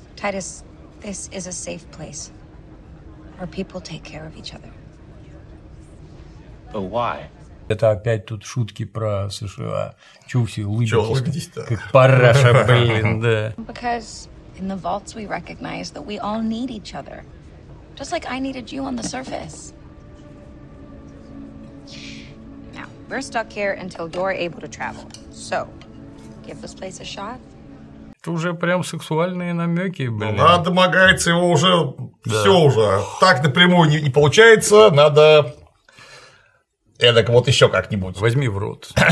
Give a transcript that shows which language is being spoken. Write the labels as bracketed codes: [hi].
[en] Titus, this is a safe place where people take care of each other. But why? [ru] Это опять тут шутки про США. Чуси, улыбитесь, как параша, блин, да. [en] Because in the vaults we recognize that we all need each other. Just like I needed you on the surface. Now, we're stuck here until you're able to travel. So... [ru] Это уже прям сексуальные намеки, блин. Она домогается его уже, да, все уже. Так напрямую не получается, надо эдак вот еще как-нибудь. Возьми в рот.